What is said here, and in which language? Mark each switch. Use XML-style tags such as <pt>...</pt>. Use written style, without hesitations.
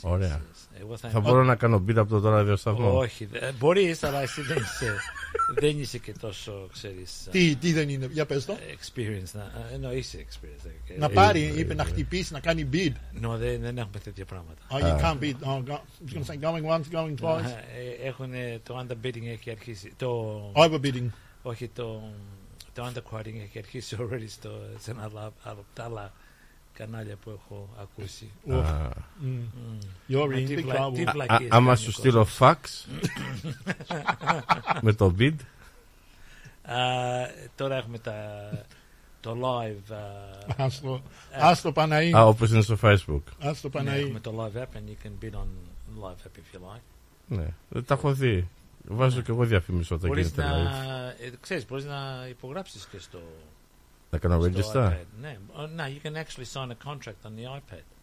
<el>Ωραία. Θα μπορώ να κάνω beat από το ράδιο σταθμό. Όχι, μπορεί, αλλά εσύ δεν είσαι, δεν είσαι και τόσο, ξέρεις. Τι δεν είναι, για πες το. Experience, ενώ είσαι experience. Να πάρει, είπε να χτυπήσει, να κάνει beat. No, δεν έχουμε τέτοια πράγματα.</el> <en>Oh, you can't beat. I'm just going to say going once, going twice.</en> <el>Έχουν το underbidding έχει αρχίσει. Overbidding. Όχι, το. Το undercutting έχει αρχίσει already στο, σε ένα από τα άλλα κανάλια που έχω ακούσει.</el> <en>You're in the trouble.</en> <el>Άμα σου στείλω fax με το bid. Τώρα έχουμε το live. Άστο Παναή. Όπως είναι στο Facebook. Άστο Παναή. Έχουμε το live app</el> <en>and you can bid on live app if you like.</en> <el>Ναι, δεν τα έχω δει. Βάζω και εγώ διαφήμιση όταν γίνεται live. Ξέρεις, μπορείς να υπογράψεις και στο. Να κάνω register.</el> <en>Ναι, you can actually sign a contract on the iPad.</en>